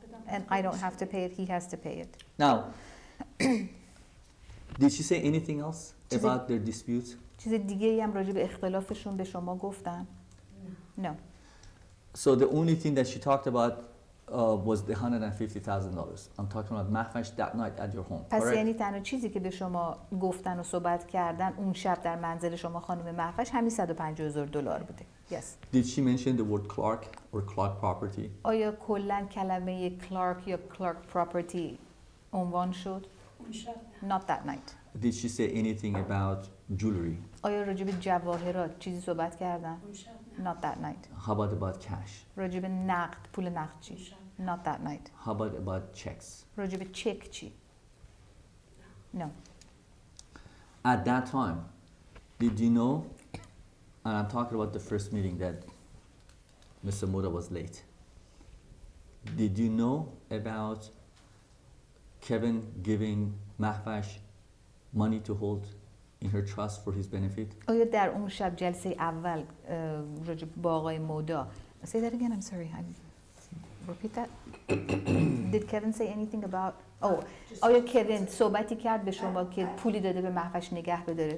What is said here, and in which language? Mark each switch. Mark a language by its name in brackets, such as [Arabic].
[English] And I don't have to pay it, he has to pay it. Now, did she say anything else about their disputes? [Persian] چیز دیگه ای هم راجع به اختلافشون به شما گفتن؟ [English] No. So the only thing that she talked about was the $150,000. I'm talking about Mahnaz that night at your home. [Persian] پس یعنی تنها چیزی که به شما گفتن و صحبت کردن اون شب در منزل شما خانم مهفش همین $150,000 بوده. [English] Yes. Did she mention the word Clark or Clark property? [Persian] آیا کلن کلمه Clark یا Clark property عنوان شد؟ [English] Not that night. Did she say anything about jewelry? [Persian] آیا راجع به جواهرات چیزی صحبت کردن؟ [English] Not that night. How about cash? [Persian] راجع به نقد، پول نقد چی؟ [English] Not that night. How about checks? [Persian] راجع به چک چی؟ [English] No. At that time, did you know, and I'm talking about the first meeting that Mr. Moda was late, did you know about Kevin giving Mahfash money to hold in her trust for his benefit? [Persian] آیا در اون شب جلسه اول راجع با آقای مودا [English] Say that again, I'm sorry. I'm repeat that. Did Kevin say anything about... [Persian] Oh, آیا کوین صحبتی کرد به شما که پولی داده به محفش نگه بداره؟